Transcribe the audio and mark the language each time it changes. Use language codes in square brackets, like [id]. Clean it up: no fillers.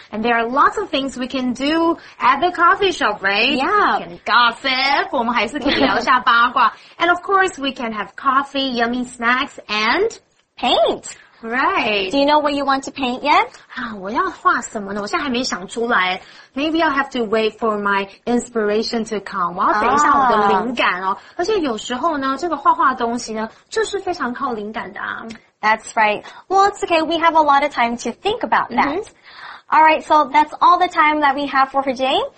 [en] And there are lots of things we can do at the coffee shop, right? Yeah. We can gossip. [zh] 我们还是可以聊一下八卦。 [en] And of course, we can have coffee, yummy snacks, and paint. Right. Do you know what you want to paint yet? [zh] 我要画什么呢？我现在还没想出来。 [en] Maybe I'll have to wait for my inspiration to come. [zh] 我要等一下我的灵感哦。而且有时候呢，这个画画的东西呢，就是非常靠灵感的啊。 [en] That's right. Well, it's okay. We have a lot of time to think about that. Mm-hmm. All right, so that's all the time that we have for today.